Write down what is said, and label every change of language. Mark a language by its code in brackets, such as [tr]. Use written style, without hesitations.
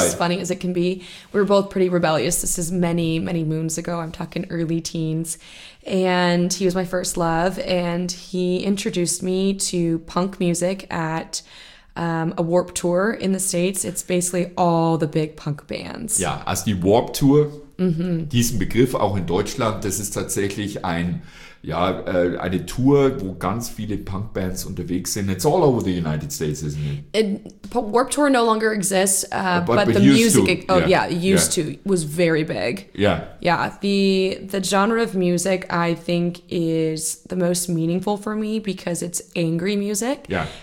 [en] As funny as it can be. We were both pretty rebellious. This is many, many moons ago. I'm talking early teens. And he was my first love. And he introduced me to punk music at a Warped Tour in the States. It's basically all the big punk bands. [de] Ja, also die Warped Tour, diesen Begriff auch in Deutschland, das ist tatsächlich ein, ja, eine Tour, wo ganz viele Punkbands unterwegs sind. [en] It's all over the United States, isn't it? And Warped Tour no longer exists, but the music, was very big. Yeah. Yeah, the genre of music, I think, is the most meaningful for me because it's angry music. Yeah.